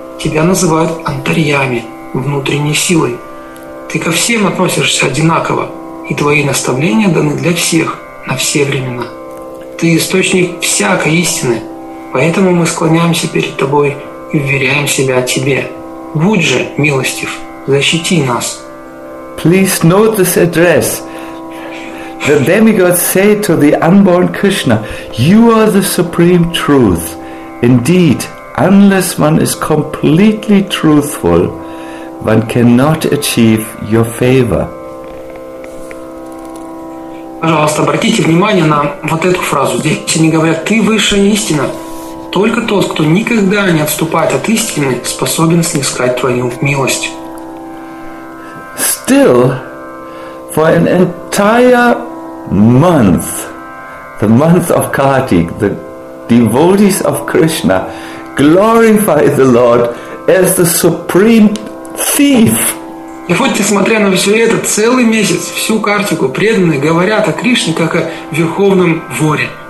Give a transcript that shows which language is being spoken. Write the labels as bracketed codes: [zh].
[ru] Тебя называют антарьями, внутренней силой. Ты ко всем относишься одинаково, и Твои наставления даны для всех на все времена. Ты – источник всякой истины, поэтому мы склоняемся перед Тобой и уверяем себя о Тебе. Будь же милостив, защити нас. [en] Please note this address. The demigods say to the unborn Krishna, you are the supreme truth. Indeed, unless one is completely truthful, one cannot achieve your favor. [ru] Пожалуйста, обратите внимание на вот эту фразу. Здесь они говорят, ты высшая истина. Только тот, кто никогда не отступает от истины, способен снискать твою милость. [en] Still, for an entire month, the month of Kartik, the devotees of Krishna glorify the Lord as the supreme thief. [ru] И вот, несмотря на все это, целый месяц всю картику преданные говорят о Кришне как о верховном воре.